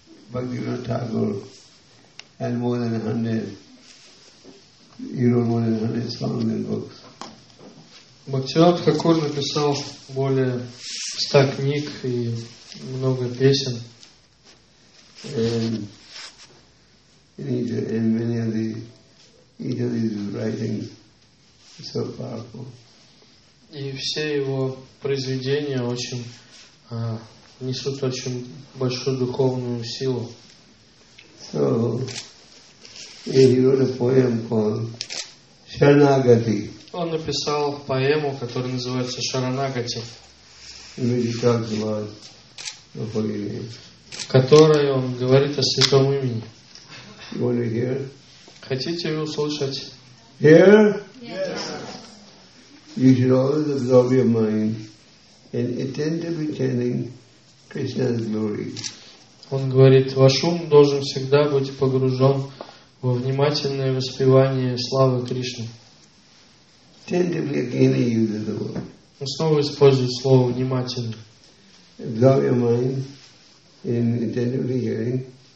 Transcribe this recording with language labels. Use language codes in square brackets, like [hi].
[en] Бхактивинода Хакур has more than 100 songs and books. [ru] Бхактивинода Хакур написал более 100 книг и много песен. [en] And many of these writings are so powerful. [ru] И все его произведения очень несут очень большую духовную силу. [en] So he wrote a poem called Sharanagati. [ru] Он написал поэму, которая называется Шаранагати. [en] Which talks about the holy name. [ru] В которой он говорит о святом имени. [en] You want to hear? [ru] Хотите вы услышать? [en] Hear? Yes. You should always absorb your mind and attentively chanting Krishna's glory. [ru] Он говорит, ваш ум должен всегда быть погружен во внимательное воспевание славы Кришны. [en] Attentively again he uses the word. [ru] Он снова использует слово внимательно. [en] Absorb your mind in attentively hearing.